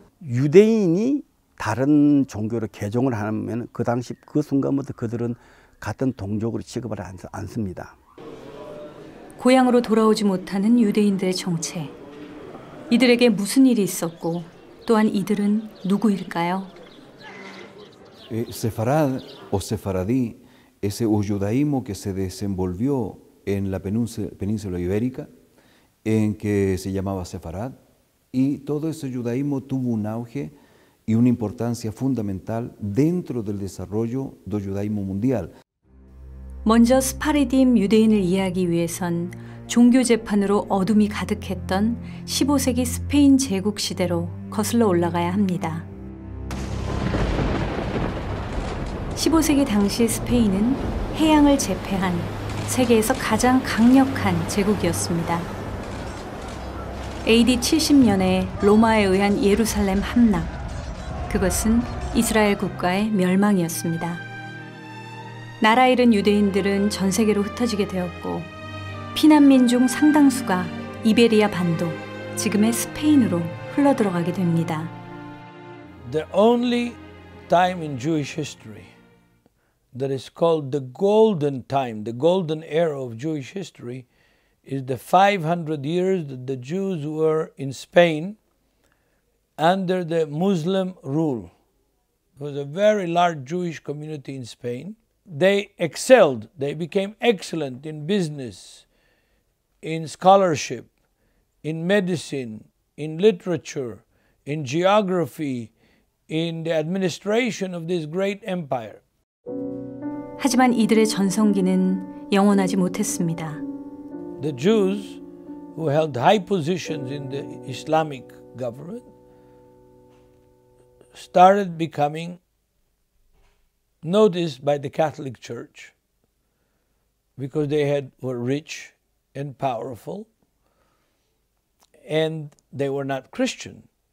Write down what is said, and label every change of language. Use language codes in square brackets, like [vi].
[ko] 유대인이 다른 종교로 개종을 하면 그 당시 그 순간부터 그들은 같은 동족으로 취급을 안 씁니다. 고향으로 돌아오지 못하는 유대인들의 정체. 이들에게 무슨 일이 있었고 또한 이들은 누구일까요? [es] Sefarad o Sefaradí es el judaísmo que se desenvolvió en la península ibérica en que se llamaba Sefarad y todo ese judaísmo tuvo un auge y una importancia fundamental dentro del desarrollo del judaísmo mundial. [ko] 먼저 스파리딤 유대인을 이해하기 위해선 종교 재판으로 어둠이 가득했던 15세기 스페인 제국 시대로 거슬러 올라가야 합니다. 15세기 당시 스페인은 해양을 제패한 세계에서 가장 강력한 제국이었습니다. AD 70년에 로마에 의한 예루살렘 함락. 그것은 이스라엘 국가의 멸망이었습니다. 나라 잃은 유대인들은 전 세계로 흩어지게 되었고 피난민 중 상당수가 이베리아 반도, 지금의 스페인으로 흘러들어가게 됩니다. [en] The only time in Jewish history that is called the golden time, the golden era of Jewish history is the 500 years that the Jews were in Spain under the Muslim rule. It was a very large Jewish community in Spain. They excelled, they became excellent in business, in scholarship, in medicine, in literature, in geography, in the administration of this great empire. [ko] 하지만 이들의 전성기는 영원하지 못했습니다. [en] The Jews who held high positions in the Islamic government started becoming noticed by the Catholic Church because they had were rich and powerful and they were not Christian.